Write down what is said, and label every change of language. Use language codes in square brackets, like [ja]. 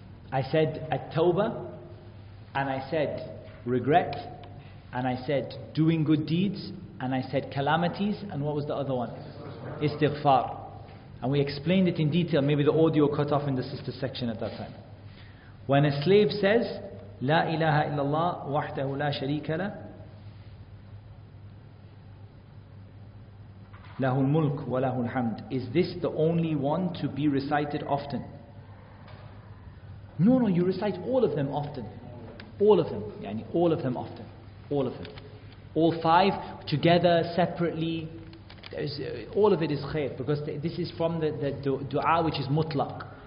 [en] I said at-tawbah, and I said regret, and I said doing good deeds, and I said calamities, and what was the other one? Istighfar. And we explained it in detail. Maybe the audio cut off in the sister section at that time. When a slave says [ar] لا إله إلا الله وحده لا شريك له له الملك وله الحمد. [en] Is this the only one to be recited often? No, no, you recite all of them often. All of them. يعني all of them often. All of them. All five together, separately. All of it is khair, because this is from the dua which is mutlaq.